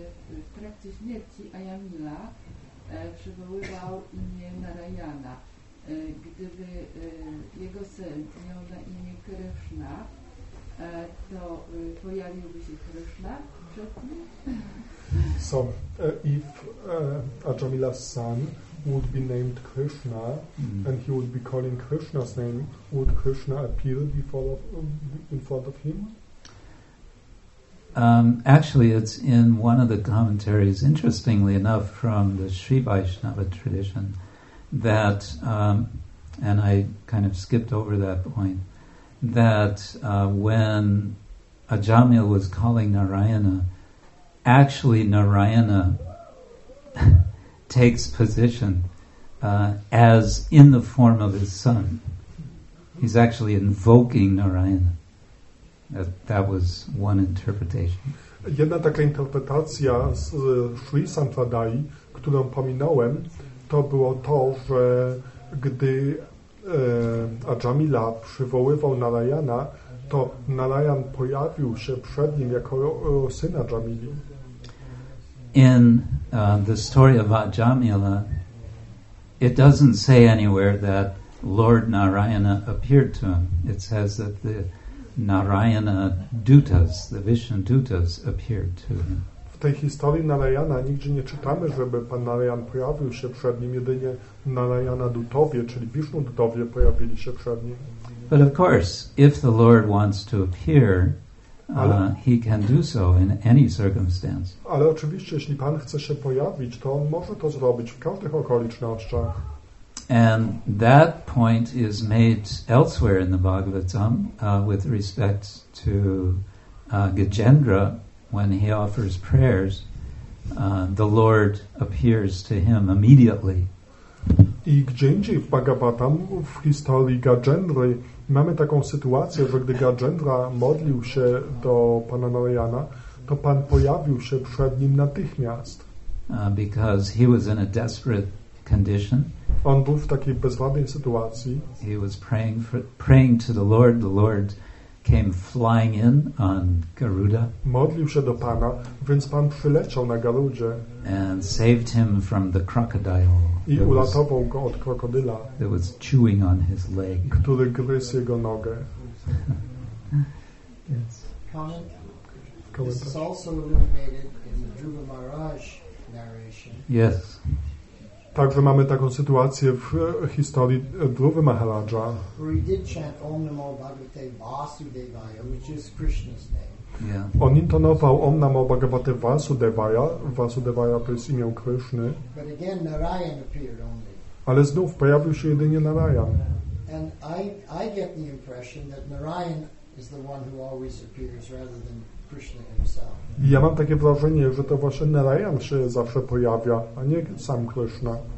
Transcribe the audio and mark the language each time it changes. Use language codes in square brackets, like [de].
[pl] W trakcie śmierci Ajamila przywoływał imię Narayana. Gdyby jego syn miał na imię Krishna, to pojawiłby się Krishna przed nim? [en] So, if Ajamila's son would be named Krishna, and he would be calling Krishna's name, would Krishna appear before in front of him? Actually, it's in one of the commentaries, interestingly enough, from the Sri Vaishnava tradition, that, and I kind of skipped over that point, that when Ajamila was calling Narayana, actually Narayana takes position as in the form of his son. He's actually invoking Narayana. That was one interpretation. [pl] Jedna taka interpretacja z Sri Sampradayi, którą pominąłem, to było to, że gdy Ajamila przywoływał Narayana, to Narayan pojawił się przed nim jako syn Ajamili. [en] In the story of Ajamila, it doesn't say anywhere that Lord Narayana appeared to him. It says that the Narayana Dutas, the Vishnu Dutas, appeared to him. [pl] W tej historii Narayana nigdzie nie czytamy, żeby Pan Narayan pojawił się przed nim, jedynie Narayana Dutowie, czyli Vishnu Dutowie pojawili się przed nim. [en] But of course, if the Lord wants to appear, he can do so in any circumstance. [pl] Ale oczywiście, jeśli Pan chce się pojawić, to on może to zrobić w każdych okolicznościach. [en] And that point is made elsewhere in the Bhagavatam with respect to Gajendra, when he offers prayers, the Lord appears to him immediately. [pl] I gdzie indziej w Bhagavatam, w historii Gajendry, mamy taką sytuację, że gdy Gajendra modlił się do Pana Narayana, to Pan pojawił się przed nim natychmiast. [en] Because he was in a desperate condition. [pl] On był w takiej bezwładnej sytuacji. [en] He was praying to the Lord. The Lord came flying in on Garuda. [pl] Modlił się do Pana, więc Pan przyleciał na Garudzie. [en] And saved him from the crocodile. [pl] I uratował go od krokodyla. [en] That was chewing on his leg. [pl] Który gryzł jego nogę. [en] Yes. This is also illuminated in the Dhruva Maharaj narration. Yes. [pl] Także mamy taką sytuację w historii Dhruva Maharaja. [en] Where he did chant Om Namo Bhagavate Vasudevaya, which is Krishna's name. Yeah. [pl] On intonował Om Namo Bhagavate Vasudevaya. Vasudevaya to jest imię Krishny. [en] But again, Narayan appeared only. [pl] Ale znów pojawił się jedynie Narayan. [en] And I get the impression that Narayan is the one who always appears rather than Krishna himself. [pl] I ja mam takie wrażenie, że to właśnie Narayan się zawsze pojawia, a nie sam Krishna.